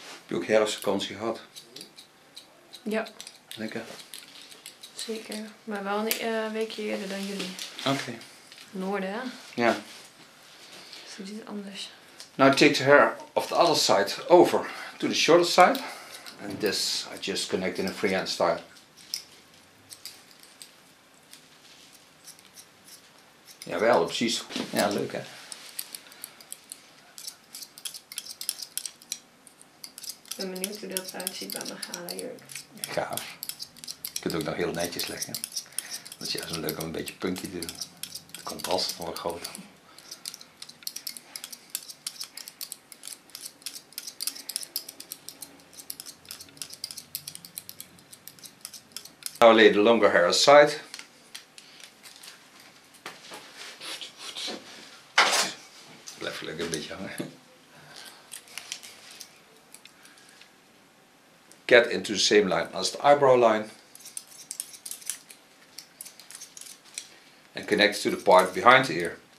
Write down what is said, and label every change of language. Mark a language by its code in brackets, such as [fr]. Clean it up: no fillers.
[nl] Ook herfstvakantie gehad. Ja. Lekker. Zeker. Maar wel een weekje eerder dan jullie. Oké. Okay. Noorden, hè? Ja. Is het iets anders? [en] Now take the hair of the other side over to the shorter side. And this I just connect in a freehand style. [nl] Jawel, precies. Ja, leuk hè. Ik ben benieuwd hoe dat eruit ziet bij mijn gala-jurk. Gaaf. Je kunt het ook nog heel netjes leggen. Dat is juist leuk om een beetje punky te doen. De contrast is wel groot. [en] Now lay the longer hair aside. [nl] Blijf gelukkig een beetje hangen. [en] Get into the same line as the eyebrow line and connect to the part behind the ear.